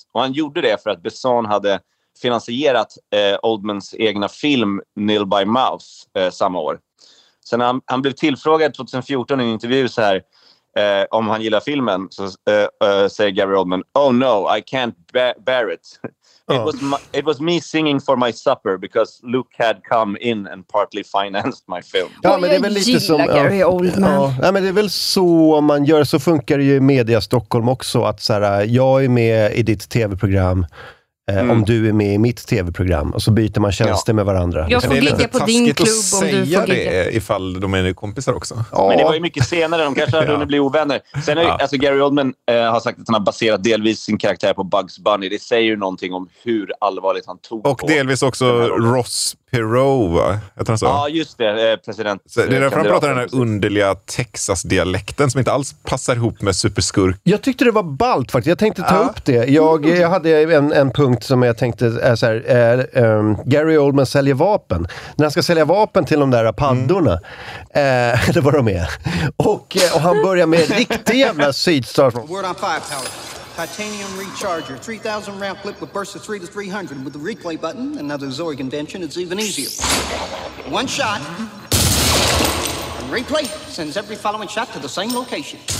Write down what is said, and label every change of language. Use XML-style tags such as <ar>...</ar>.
<sv>Och han gjorde det för att Besson hade finansierat Oldmans egna film Nil by Mouse samma år. Sen han blev tillfrågad 2014 i en intervju så här, om han gillar filmen, så säger Gary Oldman,</sv> <en>"Oh no, I can't bear it. It was me singing for my supper because Luke had come in and partly financed my film."</en> <sv>Ja, men det är väl lite som Gary Oldman. Ja, men det är väl så man gör, så funkar det ju i Media Stockholm också, att så här, jag är med i ditt tv-program. Om du är med i mitt tv-program. Och så byter man tjänster med varandra. Jag får gigga på din klubb om du får gigga. Det är ifall de är kompisar också. Oh. Men det var ju mycket senare. De kanske hade hunnit bli ovänner. Sen är, alltså Gary Oldman har sagt att han har baserat delvis sin karaktär på Bugs Bunny. Det säger ju någonting om hur allvarligt han tog Och delvis också Ross Perot. Ja, just det. President. Så det är därför han pratar den här underliga Texas-dialekten som inte alls passar ihop med superskurk. Jag tyckte det var balt faktiskt. Jag tänkte ta upp det. Jag hade en punkt som jag tänkte är så här, Gary Oldman säljer vapen. När han ska sälja vapen till de där paddorna. Eller vad de är. Och han börjar med riktigt jävla sydstar.</sv> <en>Word on 5, Tyler. Titanium recharger. 3000 round clip with burst of 300. With the replay button, another Zorg invention, it's even easier. One shot. And replay sends every following shot to the same location.</en>